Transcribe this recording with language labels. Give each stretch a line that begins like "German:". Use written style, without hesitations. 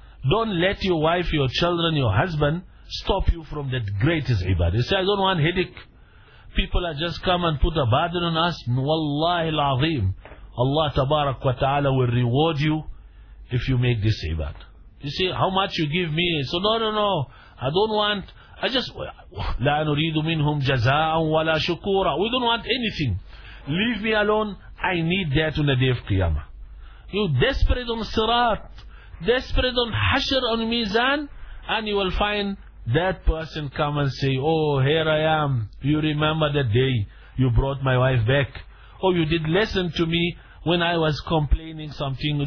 English: Don't let your wife, your children, your husband stop you from that greatest ibadah. You say, I don't want headache. People are just come and put a burden on us. Wallahi al-azim. Allah tabarak wa ta'ala will reward you if you make this ibadah. You see, how much you give me. So, no. I don't want,
Arabic: لا نريد منهم جزاء ولا شكورا.
English: We don't want anything. Leave me alone. I need that on the day of Qiyamah. You desperate on Sirat, desperate on Hashr, on Mizan, and you will find that person come and say, oh, here I am. You remember the day you brought my wife back. Oh, you did listen to me when I was complaining something.